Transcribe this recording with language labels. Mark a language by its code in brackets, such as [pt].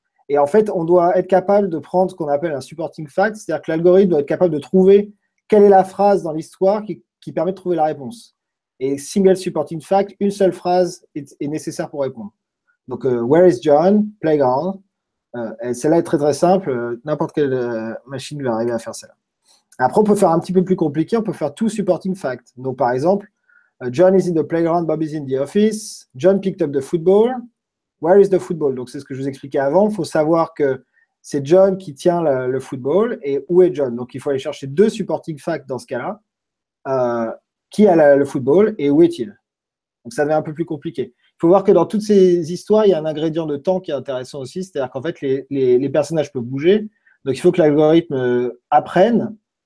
[fr] Et en fait, on doit être capable de prendre ce qu'on appelle un Supporting Fact, c'est-à-dire que l'algorithme doit être capable de trouver quelle est la phrase dans l'histoire qui permet de trouver la réponse. Et Single Supporting Fact, une seule phrase est nécessaire pour répondre. Donc, [en] Where is John? Playground. [fr] Celle-là est très, très simple. N'importe quelle machine va arriver à faire celle-là. Après, on peut faire un petit peu plus compliqué, on peut faire two supporting facts. Donc, par exemple, [en] John is in the playground, Bob is in the office, John picked up the football, where is the football? [fr] Donc, c'est ce que je vous expliquais avant, il faut savoir que c'est John qui tient le football et où est John? Donc, il faut aller chercher deux supporting facts dans ce cas-là, qui a le football et où est-il? Donc, ça devient un peu plus compliqué. Il faut voir que dans toutes ces histoires, il y a un ingrédient de temps qui est intéressant aussi, c'est-à-dire qu'en fait, les personnages peuvent bouger, donc il faut que l'algorithme apprenne